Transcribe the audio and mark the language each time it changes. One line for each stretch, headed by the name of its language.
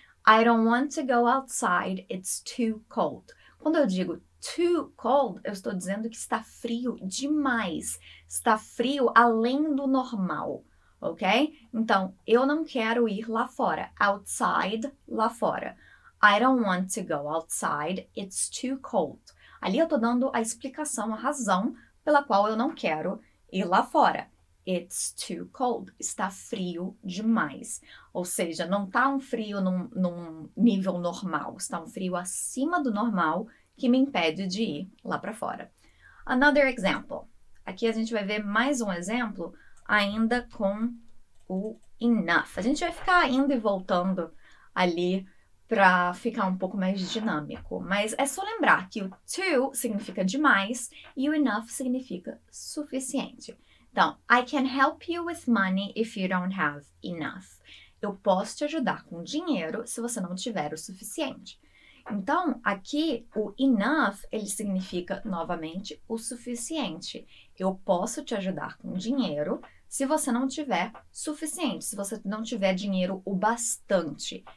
English: I don't want to go outside. It's too cold.
Portuguese: Quando eu digo
English: too cold,
Portuguese: eu estou dizendo que está frio demais, está frio além do normal, ok? Então, eu não quero ir lá fora, outside, lá fora.
English: I don't want to go outside, it's too cold.
Portuguese: Ali eu estou dando a explicação, a razão pela qual eu não quero ir lá fora.
English: It's too cold,
Portuguese: está frio demais. Ou seja, não está um frio num nível normal, está um frio acima do normal, que me impede de ir lá para fora.
English: Another example.
Portuguese: Aqui a gente vai ver mais um exemplo ainda com o enough. A gente vai ficar indo e voltando ali para ficar um pouco mais dinâmico, mas é só lembrar que o to significa demais e o enough significa suficiente.
English: Então, I can help you with money if you don't have enough.
Portuguese: Eu posso te ajudar com dinheiro se você não tiver o suficiente. Então, aqui o enough, ele significa novamente o suficiente. Eu posso te ajudar com dinheiro se você não tiver suficiente, se você não tiver dinheiro o bastante.